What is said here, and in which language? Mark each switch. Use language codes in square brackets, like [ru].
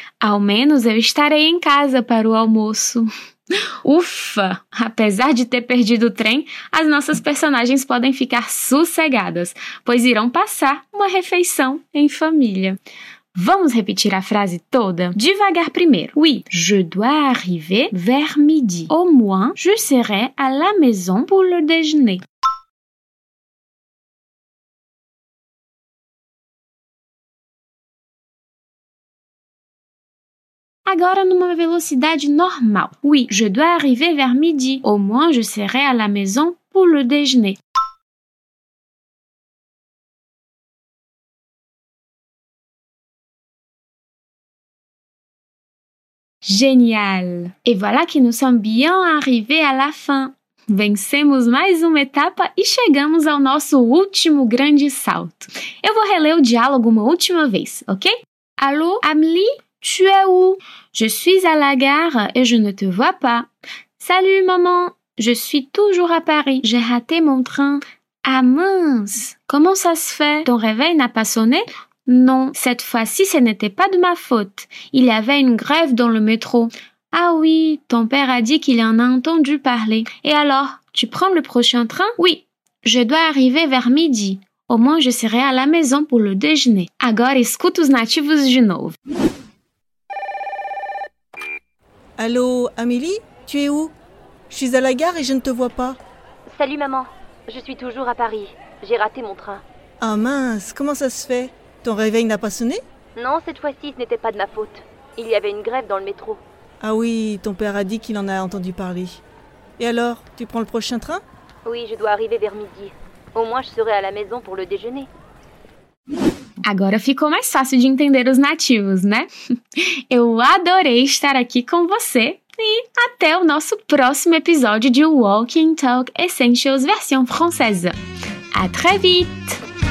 [pt] Ao menos, eu estarei em casa para o almoço. Ufa! Apesar de ter perdido o trem, as nossas personagens podem ficar sossegadas, pois irão passar uma refeição em família. Vamos repetir a frase toda? Devagar primeiro. [fr] Oui, je dois arriver vers midi. Au moins, je serai à la maison pour le déjeuner. [pt] Agora numa velocidade normal. [fr] Oui, je dois arriver vers midi. Au moins, je serai à la maison pour le déjeuner. Génial! Et voilà que nous sommes bien arrivés à la fin. [pt] Vencemos mais uma etapa e chegamos ao nosso último grande salto. Eu vou reler o diálogo uma última vez, ok? [fr] Allô, Amélie? Tu es où? Je suis à la gare et je ne te vois pas. Salut maman, je suis toujours à Paris. J'ai raté mon train. Ah mince, comment ça se fait? Ton réveil n'a pas sonné? Non, cette fois-ci ce n'était pas de ma faute. Il y avait une grève dans le métro. Ah oui, ton père a dit qu'il en a entendu parler. Et alors, tu prends le prochain train? Oui, je dois arriver vers midi. Au moins je serai à la maison pour le déjeuner. [pt] Agora escuta os nativos de novo. [fr] Allô, Amélie, tu es où? Je suis à la gare et je ne te vois pas. Salut maman, je suis toujours à Paris. J'ai raté mon train. Ah mince, comment ça se fait? Ton réveil n'a pas sonné? Non, cette fois-ci, ce n'était pas de ma faute. Il y avait une grève dans le métro. Ah oui, ton père a dit qu'il en a entendu parler. Et alors, tu prends le prochain train? Oui, je dois arriver vers midi. Au moins, je serai à la maison pour le déjeuner. [pt] Agora ficou mais fácil de entender os nativos, né? Eu adorei estar aqui com você e até o nosso próximo episódio de Walking Talk Essentials versão francesa. [fr] À très vite!